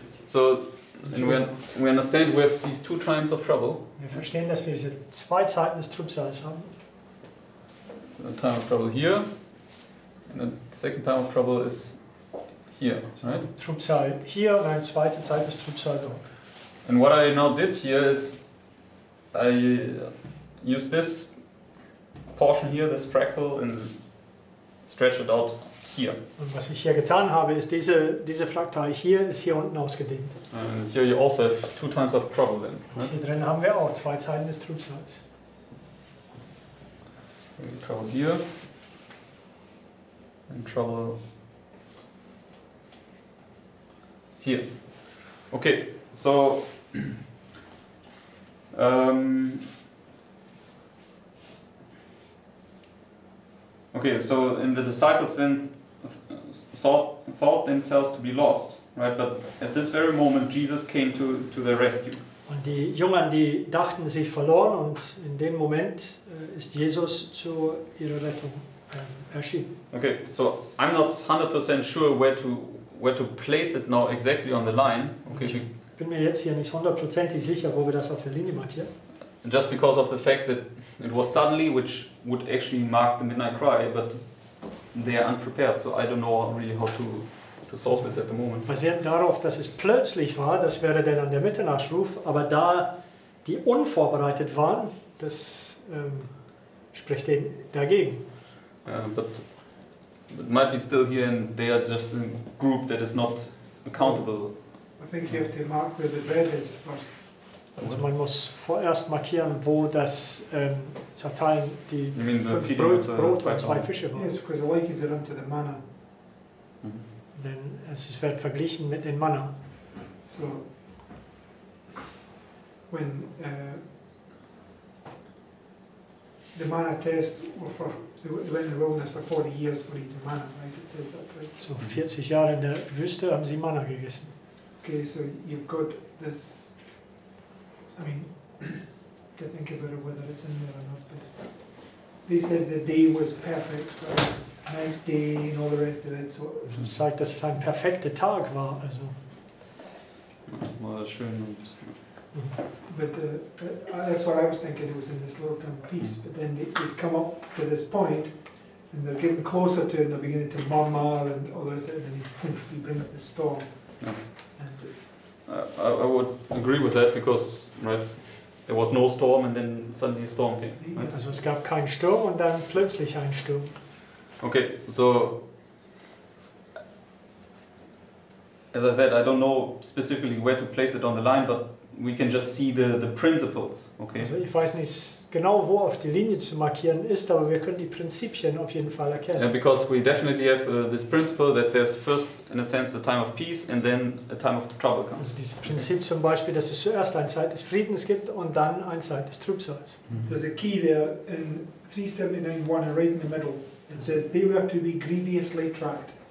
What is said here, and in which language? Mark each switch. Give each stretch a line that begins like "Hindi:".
English: So, and we understand we have these two times of trouble.
German: Wir verstehen, dass wir diese zwei Zeiten des Trübsals haben.
English: So the time of trouble here, and the second time of trouble is here, right?
German: Trübsal hier und eine zweite Zeit des Trübsals dort.
English: And what I now did here is, I use this portion here, this fractal, and stretch it out here.
German: Und was ich hier getan habe, ist diese Fraktal hier ist hier unten ausgedehnt.
English: And here you also have two times of trouble then. Right?
German: Hier drin haben wir auch zwei Zeiten des Trübsals.
English: Trouble here and trouble here. Okay, so. Okay, so in the disciples then thought themselves to be lost, right? But at this very moment, Jesus came to their rescue.
German: Und die Jungen, die dachten sich verloren, und in dem Moment ist Jesus zu ihrer Rettung erschienen.
English: Okay, so I'm not 100% sure where to place it now exactly on the line. Okay.
German: Ich bin mir jetzt hier nicht hundertprozentig sicher, wo wir das auf der Linie markieren.
English: Just because of the fact that it was suddenly, which would actually mark the midnight cry, but they are unprepared, so I don't know really how to solve this at the moment.
German: Basierend darauf, dass es plötzlich war, das wäre dann der Mitternachtsruf, aber da die unvorbereitet waren, das spricht denen dagegen.
English: But it might be still here and they are just a group that is not accountable. I think you have to mark where the bread is first.
German: Also man muss vorerst markieren, wo das zerteilen die Brot und zwei Fische waren.
English: Yes, because the likens it unto the manna.
German: Denn es wird verglichen mit den Manna.
English: So, when the manna test, they went in the wilderness for 40 years for eating manna, right? It says that, right?
German: So 40 Jahre in der Wüste haben sie Manna gegessen.
English: Okay, so you've got this, I mean, to think about it, whether it's in there or not, but this says the day was perfect, right? It was a nice day and all the rest of it, so...
German: Es sagt, dass es ein perfekter Tag war, also... War schön und...
English: But that's what I was thinking, it was in this long-term piece, but then they come up to this point, and they're getting closer to it, and they're beginning to murmur and all the rest of it, and then he brings the storm. Yes. I would agree with that because right, there was no storm and then suddenly a storm came. Right?
German: Also es gab keinen Sturm und dann plötzlich ein Sturm.
English: Okay, so as I said, I don't know specifically where to place it on the line, but we can just see the principles. Okay.
German: Also ich weiß nicht genau, wo auf die Linie zu markieren ist, aber wir können die Prinzipien auf jeden Fall erkennen.
English: Yeah, because we definitely have this principle that there's first, in a sense, a time of peace and then a time of trouble comes.
German: Also dieses Prinzip zum Beispiel, dass es zuerst eine Zeit des Friedens gibt und dann eine Zeit des Trübsals.
English: There's a key there in 379.1 right in the middle. It says, they were to be grievously tried.